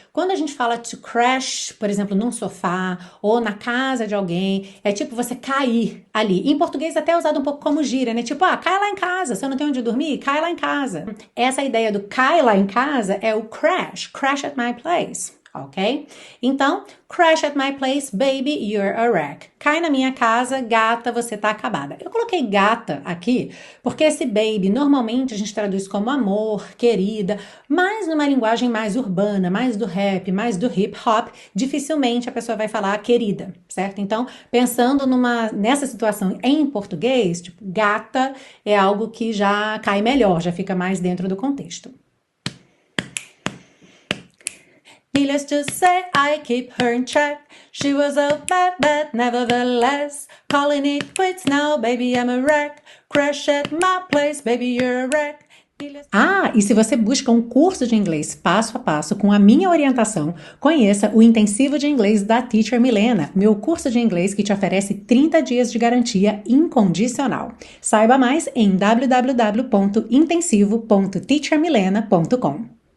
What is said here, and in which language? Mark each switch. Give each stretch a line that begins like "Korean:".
Portuguese: Quando a gente fala to crash, por exemplo, num sofá ou na casa de alguém, é tipo você cair ali. Em português até é usado um pouco como gíria, né? Tipo, ó, cai lá em casa, se eu não tenho onde dormir, cai lá em casa. Essa ideia do cai lá em casa é o crash,
English: crash at my place.
Portuguese: Ok? Então,
English: crash at my place, baby, you're a wreck.
Portuguese: Cai na minha casa, gata, você tá acabada. Eu coloquei gata aqui porque esse baby, normalmente a gente traduz como amor, querida, mas numa linguagem mais urbana, mais do rap, mais do hip hop, dificilmente a pessoa vai falar querida, certo? Então, pensando nessa situação em português, tipo, gata é algo que já cai melhor, já fica mais dentro do contexto.
English: Needless to say, I keep her in check. She was a bad, bad, nevertheless. Calling it quits now, baby, I'm a wreck. Crash at my place, baby, you're a wreck.
Portuguese: Ah, e se você busca um curso de inglês passo a passo com a minha orientação, conheça o Intensivo de Inglês da Teacher Milena, meu curso de inglês que te oferece 30 dias de garantia incondicional. Saiba mais em www.intensivo.teachermilena.com.